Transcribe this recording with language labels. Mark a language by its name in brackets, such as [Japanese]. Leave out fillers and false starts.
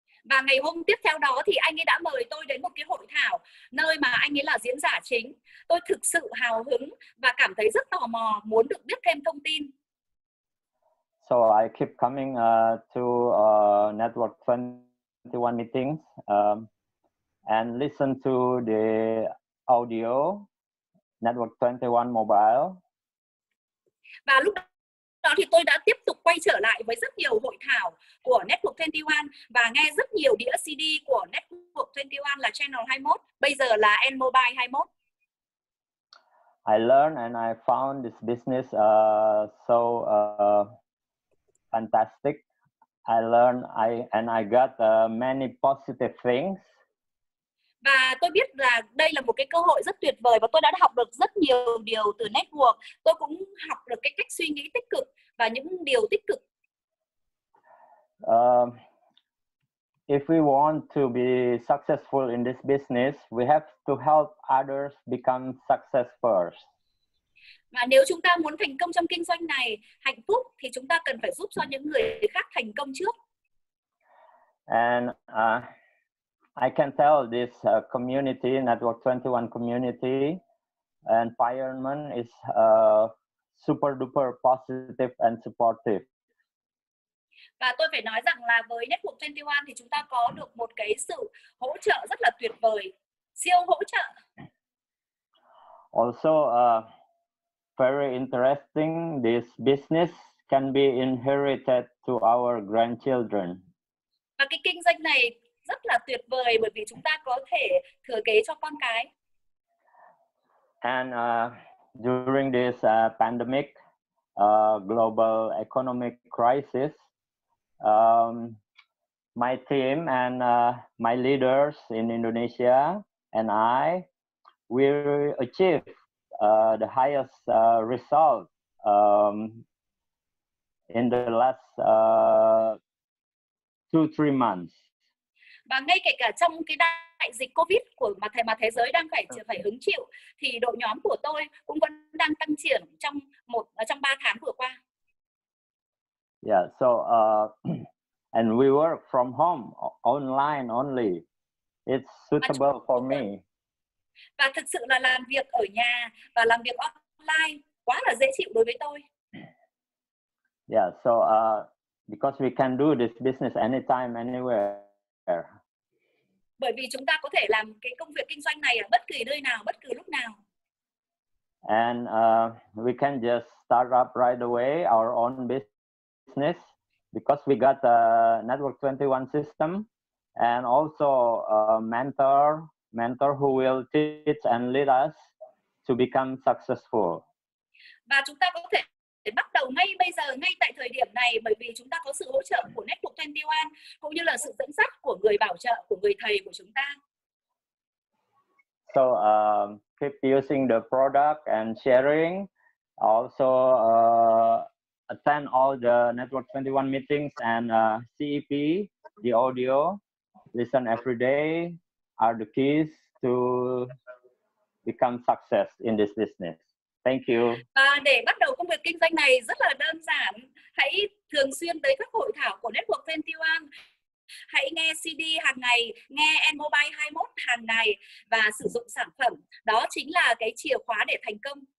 [Vietnamese] Và ngày hôm tiếp theo đó thì anh ấy đã mời tôi đến một cái hội thảo nơi mà anh ấy là diễn giả chính. Tôi thực sự hào hứng và cảm thấy rất tò mò, muốn được biết thêm thông tin. [English] So I keep coming to Network 21 meetings and listen to the audio, Network 21 Mobile. [Vietnamese] Và lúc đó thì tôi đã tiếp tục quay trở lại với rất nhiều hội thảo của Network 21 và nghe rất nhiều đĩa CD của Network 21, là Channel 21, bây giờ là N-Mobile 21. [English] I learned and I found this business so fantastic. I learned and I got many positive things. [Vietnamese] Và tôi biết là đây là một cái cơ hội rất tuyệt vời và tôi đã học được rất nhiều điều từ Network. Tôi cũng học được cái cách suy nghĩ tích cực và những điều tích cực. [English] If we want to be successful in this business, we have to help others become success first. [Vietnamese] Và nếu chúng ta muốn thành công trong kinh doanh này, hạnh phúc, thì chúng ta cần phải giúp cho những người khác thành công trước. [English] And I can tell this community, Network 21 community, environment is super duper positive and supportive. [Vietnamese] Và tôi phải nói rằng là với Network 21 thì chúng ta có được một cái sự hỗ trợ rất là tuyệt vời, siêu hỗ trợ. [English] Also, very interesting, this business can be inherited to our grandchildren. [Vietnamese] Và cái kinh doanh này rất là tuyệt vời bởi vì chúng ta có thể thừa kế cho con cái. [English] And during this pandemic, global economic crisis, my team and my leaders in Indonesia and I, we achieved the highest result in the last 2-3 months. [Vietnamese] Và ngay kể cả trong cái đại dịch COVID của mà thế giới đang phải hứng chịu, thì đội nhóm của tôi cũng vẫn đang tăng trưởng trong 3 tháng vừa qua. [English] Yeah, so and we work from home online only. It's suitable for me. [Vietnamese] Và thực sự là làm việc ở nhà và làm việc online quá là dễ chịu đối với tôi. [English] Yeah, so because we can do this business anytime, anywhere. [Vietnamese] Bởi vì chúng ta có thể làm cái công việc kinh doanh này ở bất kỳ nơi nào, bất kỳ lúc nào. [English] And we can just start up right away our own business. Because we got a Network 21 system and also a mentor who will teach and lead us to become successful. [Vietnamese] Và chúng ta có thể bắt đầu ngay bây giờ, ngay tại thời điểm này, bởi vì chúng ta có sự hỗ trợ của Network 21 cũng như là sự dẫn dắt của người bảo trợ, của người thầy của chúng ta. [English] So keep using the product and sharing. Also attend all the Network 21 meetings and CEP, the audio, listen every day, are the keys to become success in this business. Thank you. [Vietnamese] Và để bắt đầu công việc kinh doanh này rất là đơn giản. Hãy thường xuyên tới các hội thảo của Network 21. Hãy nghe CD hàng ngày, nghe N-Mobile 21 hàng ngày và sử dụng sản phẩm. Đó chính là cái chìa khóa để thành công.